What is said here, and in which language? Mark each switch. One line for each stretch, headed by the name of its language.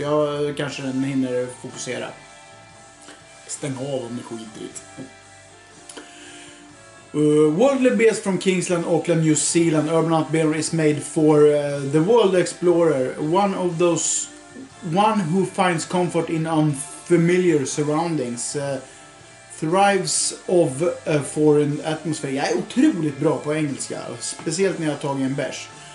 Swedish: Jag kanske den hinner fokusera. Stäng av om ni skiter i det.
English: Worldly beers from Kingsland, Auckland, New Zealand. Urban Out Beer is made for the world explorer. One of those... One who finds comfort in unfamiliar surroundings. Thrives of a foreign atmosphere.
Swedish: Jag är otroligt bra på engelska. Speciellt när jag har tagit en bärs.